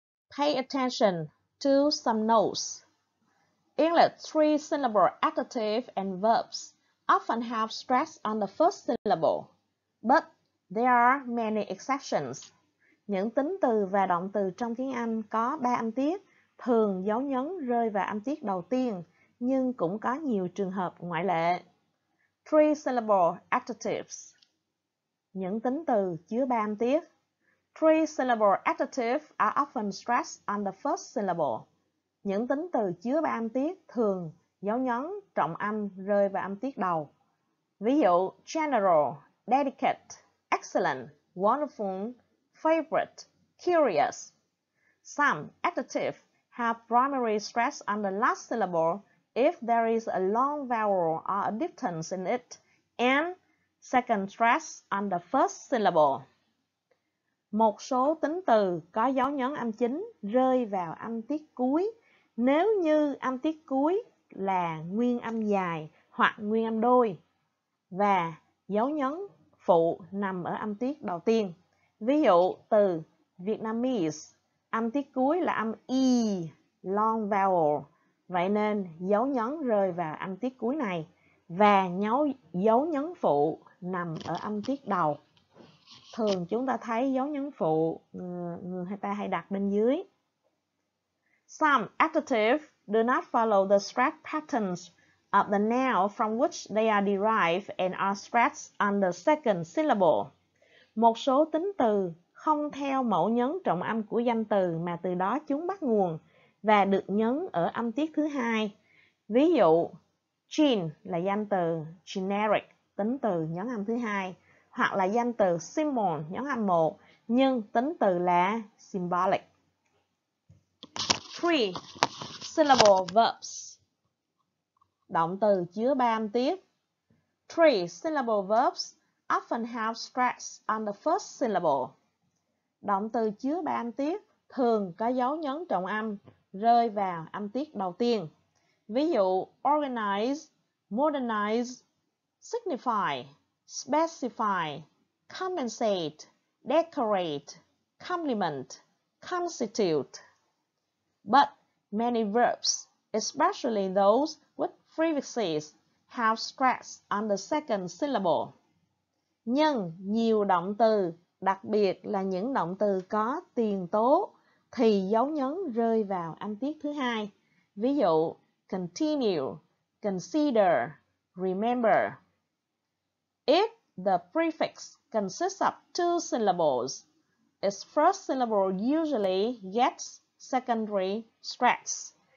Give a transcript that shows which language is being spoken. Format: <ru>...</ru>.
<en>Pay attention to some notes. English three-syllable adjectives and verbs often have stress on the first syllable, but there are many exceptions.</en> <vi>Những tính từ và động từ trong tiếng Anh có ba âm tiết thường dấu nhấn rơi vào âm tiết đầu tiên, nhưng cũng có nhiều trường hợp ngoại lệ.</vi> <en>Three-syllable adjectives.</en> <vi>Những tính từ chứa ba âm tiết.</vi> <en>Three-syllable adjectives are often stressed on the first syllable.</en> <vi>Những tính từ chứa ba âm tiết thường dấu nhấn trọng âm rơi vào âm tiết đầu. Ví dụ, general, dedicate, excellent, wonderful, favorite, curious.</vi> <en>Some adjectives have primary stress on the last syllable if there is a long vowel or a diphthong in it, and second stress on the first syllable.</en> <vi>Một số tính từ có dấu nhấn âm chính rơi vào âm tiết cuối nếu như âm tiết cuối là nguyên âm dài hoặc nguyên âm đôi và dấu nhấn phụ nằm ở âm tiết đầu tiên. Ví dụ từ Vietnamese, âm tiết cuối là âm E, long vowel. Vậy nên dấu nhấn rơi vào âm tiết cuối này và dấu nhấn phụ nằm ở âm tiết đầu. Thường chúng ta thấy dấu nhấn phụ người ta hay đặt bên dưới.</vi> <en>Some adjectives do not follow the stress patterns of the noun from which they are derived and are stressed on the second syllable.</en> <vi>Một số tính từ không theo mẫu nhấn trọng âm của danh từ mà từ đó chúng bắt nguồn và được nhấn ở âm tiết thứ hai. Ví dụ, gene là danh từ, generic, tính từ nhấn âm thứ hai. Hoặc là danh từ symbol nhấn âm 1, nhưng tính từ là symbolic. 3.</vi> <en>Syllable verbs.</en> <vi>Động từ chứa 3 âm tiết. 3.</vi> <en>Syllable verbs often have stress on the first syllable.</en> <vi>Động từ chứa 3 âm tiết thường có dấu nhấn trọng âm rơi vào âm tiết đầu tiên. Ví dụ, organize, modernize, signify.</vi> <en>Specify, compensate, decorate, complement, constitute. But many verbs, especially those with prefixes, have stress on the second syllable.</en> <vi>Nhưng nhiều động từ, đặc biệt là những động từ có tiền tố, thì dấu nhấn rơi vào âm tiết thứ hai. Ví dụ, continue, consider, remember.</vi> <en>If the prefix consists of two syllables, its first syllable usually gets secondary stress.</en>